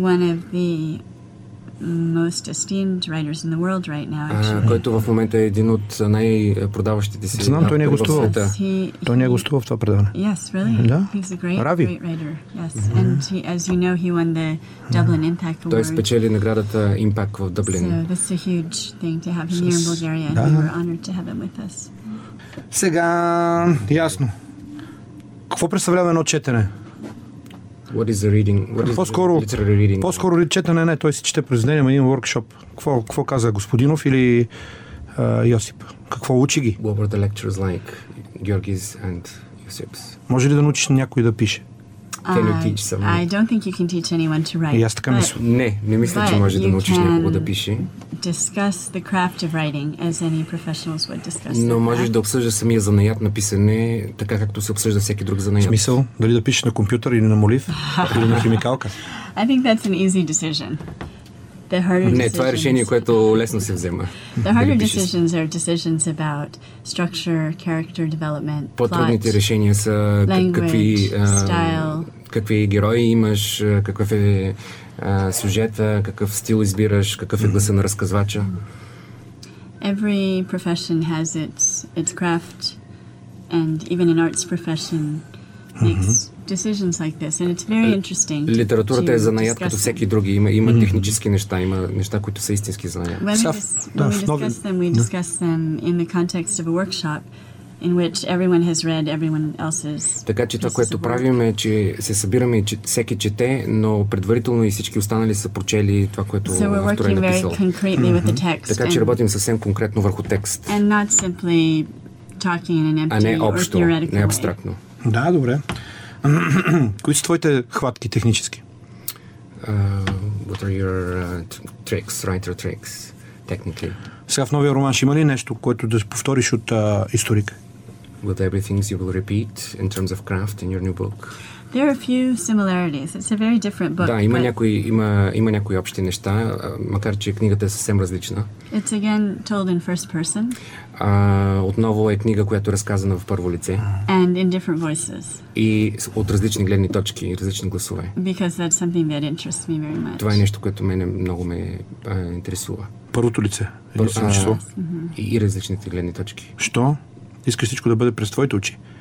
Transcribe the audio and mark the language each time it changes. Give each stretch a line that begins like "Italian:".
English: One of the most esteemed writers in the world right now.
Bulgarian: Който в момента е един от най-продаващите си. Знам, той не гостува. Той не гостува в това предаване.
English: Yes, really.
Bulgarian: Да.
English: He's a great writer. Yes. Mm-hmm. And he, as you know, he won the Dublin Impact Award.
Bulgarian: Той спечели наградата Impact в Дублин.
English: So this is a huge thing to have him here in Bulgaria.
Bulgarian: Да.
English: And we're honored to have him with us.
Bulgarian: Сега, ясно. Какво представлява едно четене?
English: What is the reading? What
Bulgarian: по-скоро,
English: is the literary reading?
Bulgarian: По-скоро четене, не, той се чете през деня на един workshop. Какво каза Господинов или Йосип? Какво учи ги?
English: What were the lectures like, Georgis and Josip's?
Bulgarian: Може ли да научиш някой да пише?
English: Can you teach someone? I don't think you can teach anyone to write.
Bulgarian: Не мисля, че можеш да научиш някого да пише.
English: Discuss the craft of writing as any professionals would discuss.
Bulgarian: Но можеш да обсъждаш самия занаят на писане, така както се обсъжда всеки друг занаят. В смисъл, дали да пишеш на компютър или на молив, или на химикалка?
English: I think that's an easy decision. The harder
Bulgarian: Не, това е решение, което лесно се взема.
English: The harder decisions are decisions about structure, character development, plot,
Bulgarian: По-трудните решения са какви, какви герои имаш, какъв е сюжета, какъв стил избираш, какъв е гласа на разказвача.
English: Every profession has its craft, and even an arts profession makes decisions like this, and it's very interesting.
Bulgarian: Литературата е занаят като всеки други. Има технически неща, има неща, които са истински занаят.
English: When we discuss them in the context of a workshop in which everyone has read everyone else's.
Bulgarian: Така че това, което правим, е, че се събираме и всеки чете, но предварително и всички останали са прочели това, което автора е написал. Така че работим съвсем конкретно върху текст.
English: And not simply talking in an empty,
Bulgarian: а не общо,
English: or theoretical
Bulgarian: не абстрактно. Да, добре. Кои са твоите хватки технически?
English: What are your tricks, writer tricks, technically?
Bulgarian: Сега в новия роман ще има ли нещо, което да повториш от историка?
English: With everything you will repeat in terms of craft in your new book. There are a few similarities. It's a very different book.
Bulgarian: Да, има някои, има някои общи неща, макар че книгата е съвсем различна.
English: It's again told in first person.
Bulgarian: Отново е книга, която е разказана в първо лице.
English: And in different voices.
Bulgarian: И от различни гледни точки, различни гласове.
English: Because that's something that interests me very much.
Bulgarian: Това е нещо, което мене много ме интересува. Първото лице, различно число. И различните гледни точки. Що? Искаш всичко да бъде през твоите очи?